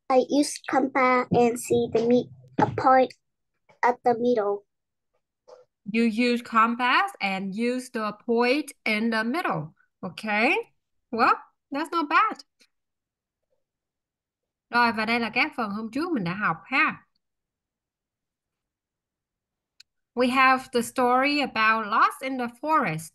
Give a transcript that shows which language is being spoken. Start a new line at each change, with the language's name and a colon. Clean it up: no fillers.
English: Use compass and see the meet a point at the middle. You use compass and use the point in the middle. Okay. Well, that's not bad.
Vietnamese: Rồi, và đây là các phần hôm trước mình đã học ha.
English: We have the story about Lost in the Forest.